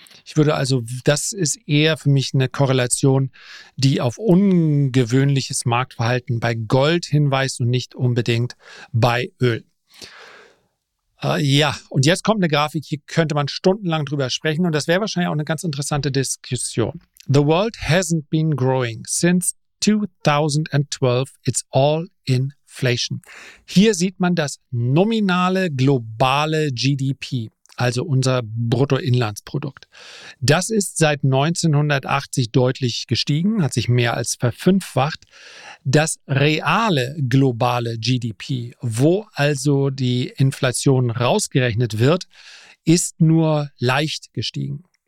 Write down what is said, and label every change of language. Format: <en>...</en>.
<de>Ich würde also, das ist eher für mich eine Korrelation, die auf ungewöhnliches Marktverhalten bei Gold hinweist und nicht unbedingt bei Öl. Und jetzt kommt eine Grafik, hier könnte man stundenlang drüber sprechen und das wäre wahrscheinlich auch eine ganz interessante Diskussion.</de> <en>The world hasn't been growing since 2012. It's all in Inflation.</en> <de>Hier sieht man das nominale globale GDP, also unser Bruttoinlandsprodukt. Das ist seit 1980 deutlich gestiegen, hat sich mehr als verfünffacht. Das reale globale GDP, wo also die Inflation rausgerechnet wird, ist nur leicht gestiegen.</de>